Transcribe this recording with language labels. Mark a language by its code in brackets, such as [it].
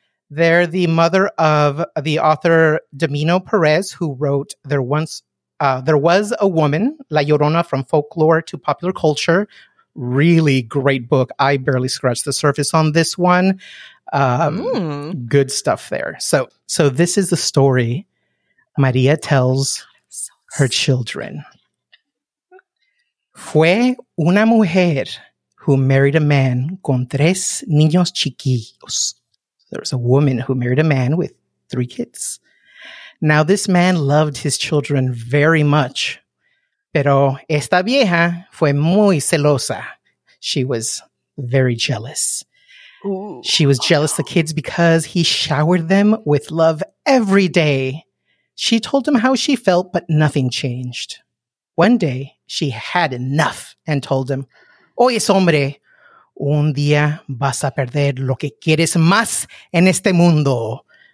[en] They're the mother of the author Domino Perez, who wrote There Was a Woman, La Llorona, From Folklore to Popular Culture. Really great book. I barely scratched the surface on this one. Good stuff there. So this is the story Maria tells her children. [es] Fue una mujer [en] who married a man [es] con tres niños chiquillos. [en] There was a woman who married a man with three kids. Now, this man loved his children very much. [es] Pero esta vieja fue muy celosa. [en] She was very jealous. Ooh. She was jealous of the kids because he showered them with love every day. She told him how she felt, but nothing changed. One day, she had enough and told him, [es] Oye, hombre, un día vas a perder lo que quieres más en este mundo.